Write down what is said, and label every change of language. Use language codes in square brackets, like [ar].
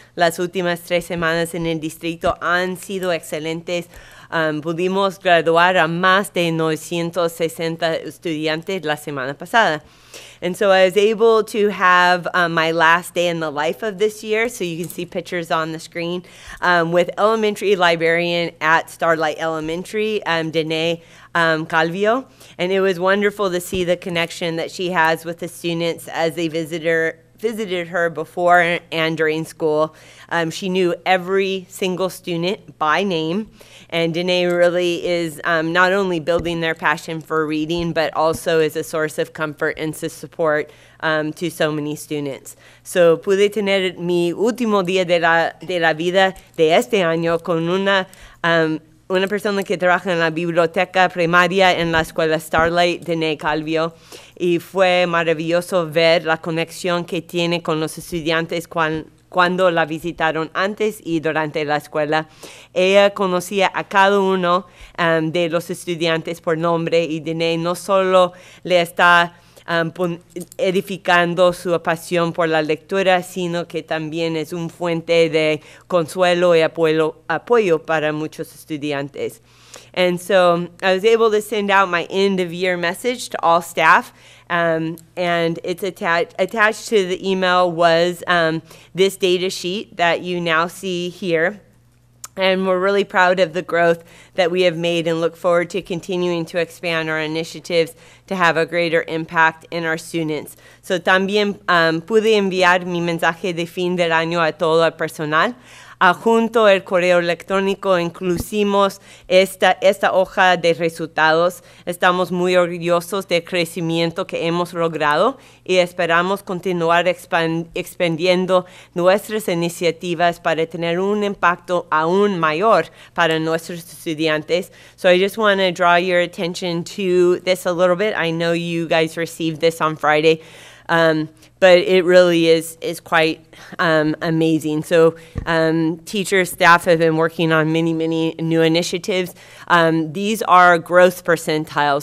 [es] Las últimas tres semanas en el distrito han sido excelentes. Pudimos graduar a más de 960 estudiantes la semana pasada. [en] And so I was able to have my last day in the life of this year, so you can see pictures on the screen, with elementary librarian at Starlight Elementary, Danae Calvio. And it was wonderful to see the connection that she has with the students as they visited her before and during school. She knew every single student by name. And Danae really is not only building their passion for reading, but also is a source of comfort and support to so many students. [es] So pude tener mi último día de la vida de este año con una persona que trabaja en la biblioteca primaria en la escuela Starlight, Danae Calvio. Y fue maravilloso ver la conexión que tiene con los estudiantes cuando la visitaron antes y durante la escuela. Ella conocía a cada uno de los estudiantes por nombre y Danae no solo le está edificando su pasión por la lectura, sino que también es una fuente de consuelo y apoyo para muchos estudiantes. [en] And so I was able to send out my end of year message to all staff, and it's attached to the email was this data sheet that you now see here. And we're really proud of the growth that we have made and look forward to continuing to expand our initiatives to have a greater impact in our students. [es] So también pude enviar mi mensaje de fin del año a todo el personal. junto el correo electrónico incluimos esta hoja de resultados. Estamos muy orgullosos del crecimiento que hemos logrado y esperamos continuar expandiendo nuestras iniciativas para tener un impacto aún mayor para nuestros estudiantes. [en] So I just want to draw your attention to this a little bit. I know you guys received this on Friday. But it really is quite amazing. So teachers, staff have been working on many, many new initiatives. These are growth percentiles.